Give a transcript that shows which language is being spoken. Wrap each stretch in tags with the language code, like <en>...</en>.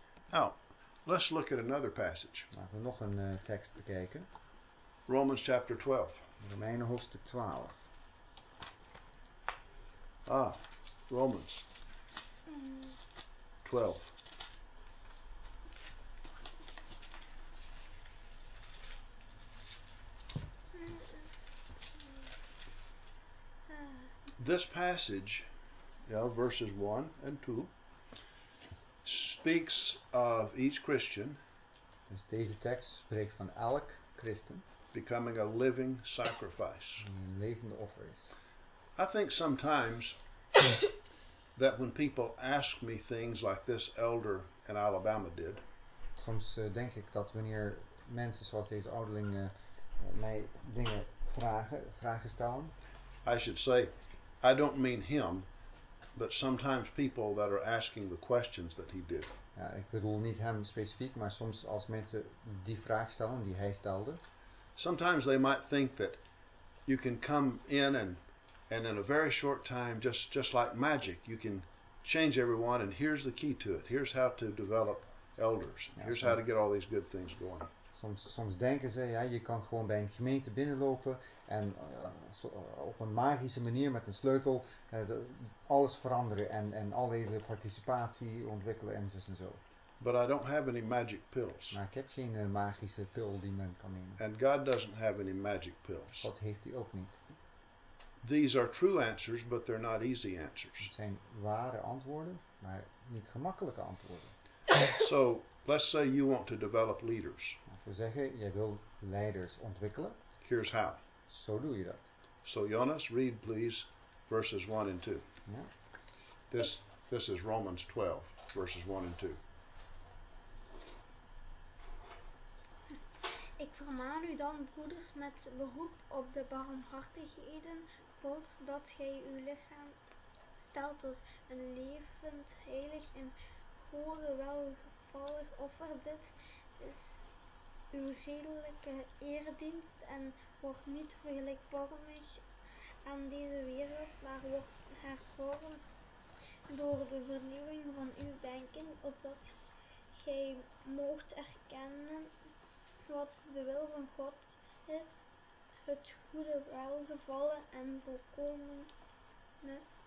<en>Now, let's look at another passage.</en> <nl>Laten we nog een tekst bekijken.</nl> <en>Romans chapter 12.</en> <nl>Romeinen hoofdstuk 12.</nl> <en>Ah, Romans 12. This passage, yeah, verses 1 and 2, speaks of each Christian.</en> <nl>Dus deze tekst spreekt van elk Christen.</nl> <en>Becoming a living sacrifice.</en> <nl>Een levende offer is.</nl> <en>I think sometimes that when people ask me things like this elder in Alabama did.</en> <nl>Soms denk ik dat wanneer mensen zoals deze ouderling mij dingen vragen stellen.</nl> <en>I should say, I don't mean him, but sometimes people that are asking the questions that he did.</en> <nl>Ja, ik bedoel niet hem specifiek, maar soms als mensen die vraag stellen die hij stelde.</nl> <en>Sometimes they might think that you can come in and in a very short time, just like magic, you can change everyone, and here's the key to it. Here's how to develop elders. Ja, here's how to get all these good things going.</en> <nl>Soms denken ze, ja, je kan gewoon bij een gemeente binnenlopen en op een magische manier met een sleutel alles veranderen en al deze participatie ontwikkelen en zo en zo.</nl> <en>But I don't have any magic pills.</en> <nl>Maar ik heb geen magische pil die men kan nemen.</nl> <en>And God doesn't have any magic pills.</en> <nl>Dat heeft hij ook niet.</nl> <en>These are true answers, but they're not easy answers.</en> <nl>Het zijn ware antwoorden, maar niet gemakkelijke antwoorden.</nl> <en>So, let's say you want to develop leaders.</en> <nl>We zeggen, jij wil leiders ontwikkelen.</nl> <en>Here's how.</en> <nl>Zo doe je dat.</nl> <en>So Jonas, read please verses 1 and 2.</en> <nl>Ja.</nl> <en>This is Romans 12, verses 1 and 2.</en> <nl>Ik vermaan u dan, broeders, met beroep op de barmhartigheden God, dat gij uw lichaam stelt tot een levend, heilig en gode welgevallig offer. Dit is uw redelijke eredienst en wordt niet gelijkvormig aan deze wereld, maar wordt hervormd door de vernieuwing van uw denken, opdat gij moogt erkennen wat de wil van God is, het goede welgevallen en volkomene.</nl>